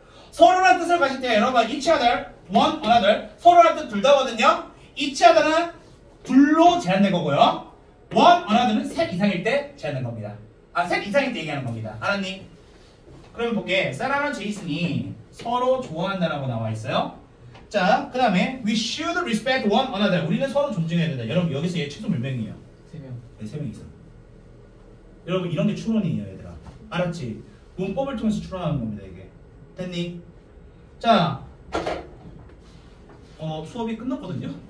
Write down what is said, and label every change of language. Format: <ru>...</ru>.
<ko>서로란 뜻을 가질 때 여러분 each other, one another 서로란 뜻 둘 다거든요. each other는 둘로 제한된 거고요. one another는 셋 이상일 때 제한된 겁니다. 아, 셋 이상일 때 얘기하는 겁니다. 알았니? 그러면 볼게. 사라랑 제이슨이 서로 좋아한다라고 나와 있어요. 자, 그 다음에</ko> <en>we should respect one another.</en> <ko>우리는 서로 존중해야 된다. 여러분 여기서 얘 최소 몇 명이에요? 세 명. 네, 세 명 이상. 여러분 이런 게 추론이에요, 얘들아. 알았지? 문법을 통해서 추론하는 겁니다, 이게. 됐니? 자, 수업이 끝났거든요.</ko>